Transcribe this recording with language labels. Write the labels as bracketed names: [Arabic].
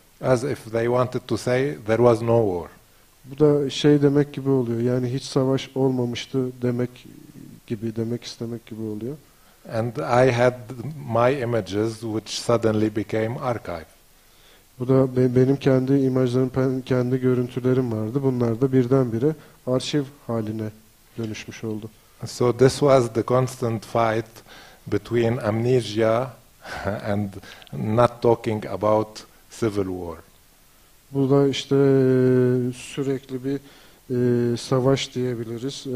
[English] As if they wanted to say there was no war. [Turkish] Bu da şey demek gibi oluyor, yani hiç savaş olmamıştı demek gibi, demek istemek gibi oluyor. [English] And I had my images which suddenly became archive. [Turkish] Bu da benim kendi imajlarım, kendi görüntülerim vardı. Bunlar da birdenbire arşiv haline dönüşmüş oldu. [English] So this was the constant fight between amnesia and not talking about civil war. [Turkish] Bu da işte sürekli bir savaş diyebiliriz.